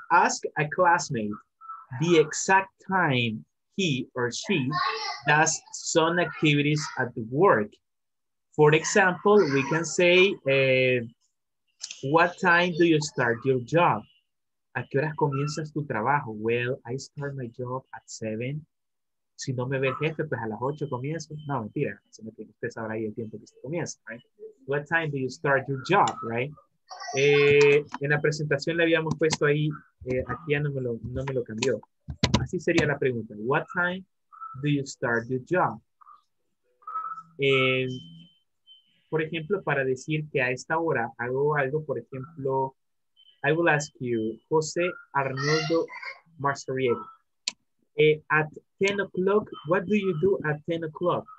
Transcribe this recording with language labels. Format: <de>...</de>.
<en>Ask a classmate the exact time he or she does some activities at the work. For example, we can say, what time do you start your job?</en> <es>¿A qué horas comienzas tu trabajo?</es> <en>Well, I start my job at 7.</en> <es>Si no me ve el jefe, pues a las 8 comienzo. No, mentira. Sino que usted sabrá ahí el tiempo que se comienza,</es> <en>right? What time do you start your job, right?</en> <es>En la presentación le habíamos puesto ahí, aquí ya no me lo cambió. Así sería la pregunta.</es> <en>What time do you start your job?</en> <es>Por ejemplo, para decir que a esta hora hago algo, por ejemplo,</es> <en>I will ask you, José Arnoldo Marzoriego, at 10 o'clock, what do you do at 10 o'clock?</en>